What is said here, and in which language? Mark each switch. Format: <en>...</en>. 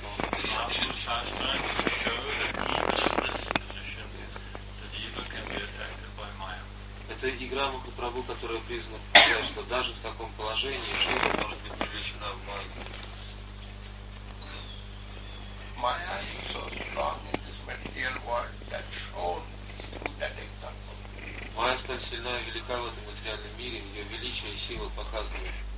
<en>Pastimes show that even in this position, the diva can be attracted by Maya.</en> <ru>Это игра Махапрабху, которая признана, что даже в таком положении жива может быть привлечена в Майю.</ru> <en>Maya is so strong in this material world that shown through that example.</en> <ru>Maya столь сильна и велика в этом материальном мире, ее величие и сила показаны.</ru>